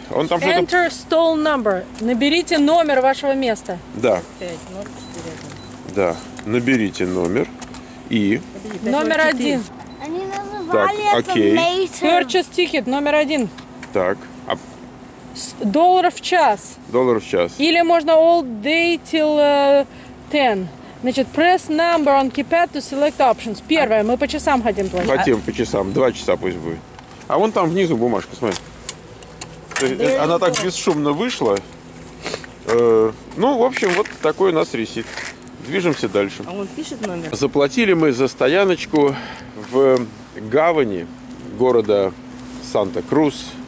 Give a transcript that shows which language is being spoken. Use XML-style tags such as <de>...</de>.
<ru>Он там что-то...</ru> <en>Enter stall number.</en> <ru>Наберите номер вашего места. Да. 5, 0, 4, 1. Да, наберите номер. И... Номер один. Так, окей.</ru> <en>Later. Purchase ticket</en> <ru>номер один. Так. А... Доллар в час. Доллар в час. Или можно</ru> <en>all day till 10.</en> <ru>Значит,</ru> <en>press number on keypad to select options.</en> <ru>Первое, мы по часам хотим платить. Хотим по часам. Два часа пусть будет. А вон там внизу бумажка, смотри. Она так бесшумно вышла. Ну, в общем, вот такой у нас ресит. Движемся дальше. А он пишет номер? Заплатили мы за стояночку в гавани города Санта-Крус.</ru>